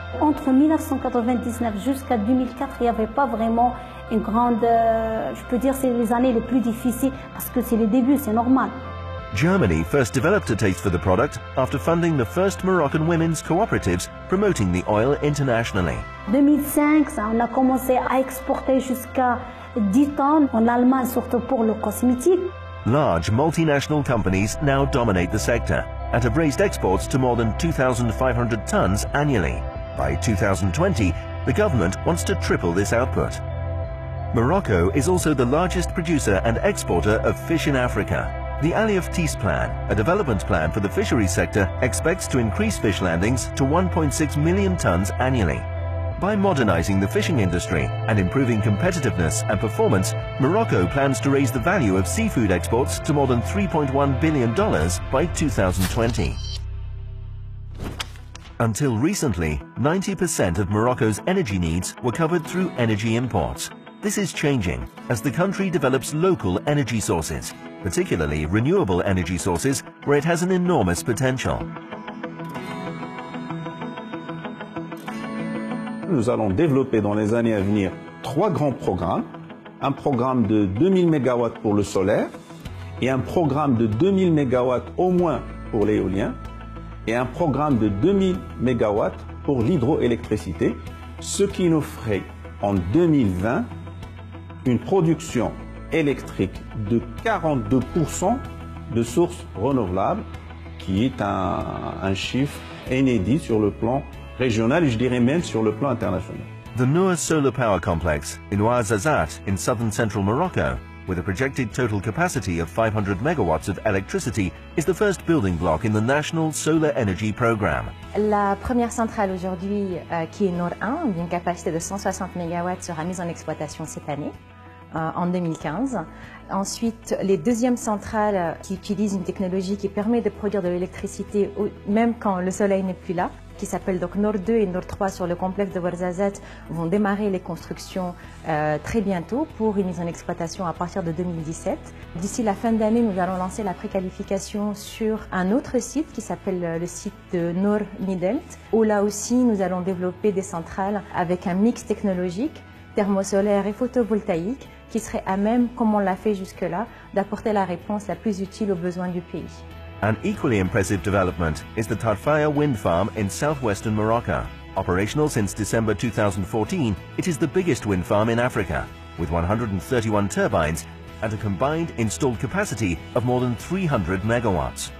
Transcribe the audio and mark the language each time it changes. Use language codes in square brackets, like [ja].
[fr] entre 1999 jusqu'à 2004, il n'y avait pas vraiment une grande... je peux dire c'est les années les plus difficiles parce que c'est les débuts, c'est normal. [en] Germany first developed a taste for the product after funding the first Moroccan women's cooperatives promoting the oil internationally. [fr] 2005, on a commencé à exporter jusqu'à 10 tonnes en Allemagne, surtout pour le cosmétique. [en] Large multinational companies now dominate the sector and have raised exports to more than 2,500 tons annually. By 2020, the government wants to triple this output. Morocco is also the largest producer and exporter of fish in Africa. The Alioune Tis plan, a development plan for the fisheries sector, expects to increase fish landings to 1.6 million tons annually. By modernizing the fishing industry and improving competitiveness and performance, Morocco plans to raise the value of seafood exports to more than $3.1 billion by 2020. Until recently, 90% of Morocco's energy needs were covered through energy imports. This is changing as the country develops local energy sources, particularly renewable energy sources, where it has an enormous potential. [fr] Nous allons développer dans les années à venir trois grands programmes. Un programme de 2000 MW pour le solaire et un programme de 2000 MW au moins pour l'éolien et un programme de 2000 MW pour l'hydroélectricité, ce qui nous ferait en 2020 une production électrique de 42% de sources renouvelables, qui est un chiffre inédit sur le plan régional et je dirais même sur le plan international. [en] The Nour Solar Power Complex in Ouaz Azat in southern central Morocco, with a projected total capacity of 500 megawatts of electricity, is the first building block in the National Solar Energy Program. [fr] La première centrale aujourd'hui, qui est Nour 1, d'une capacité de 160 MW, sera mise en exploitation cette année, en 2015. Ensuite, les deuxièmes centrales qui utilisent une technologie qui permet de produire de l'électricité même quand le soleil n'est plus là, qui s'appelle donc Nord 2 et Nord 3 sur le complexe de Ouaz Azat, vont démarrer les constructions très bientôt pour une mise en exploitation à partir de 2017. D'ici la fin d'année, nous allons lancer la préqualification sur un autre site qui s'appelle le site de Nord Midelt, où là aussi nous allons développer des centrales avec un mix technologique, thermosolaire et photovoltaïque, qui serait à même, comme on l'a fait jusque-là, d'apporter la réponse la plus utile aux besoins du pays. [en] An equally impressive development is the Tarfaya wind farm in southwestern Morocco. Operational since December 2014, it is the biggest wind farm in Africa, with 131 turbines and a combined installed capacity of more than 300 megawatts.